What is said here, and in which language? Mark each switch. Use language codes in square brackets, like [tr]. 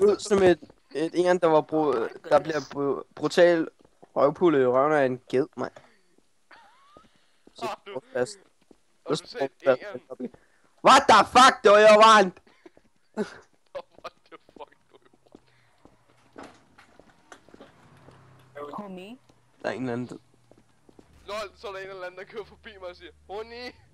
[da] lød som et en, der var der bliver brutal røvpullet i røven af en ged, mand. Så fast. Du sagde en. [en] What the fuck, do you want? What the fuck, do you want? Honey? [da] Der er en eller anden. Lol, så er der en eller anden, der kører forbi mig og siger, honey!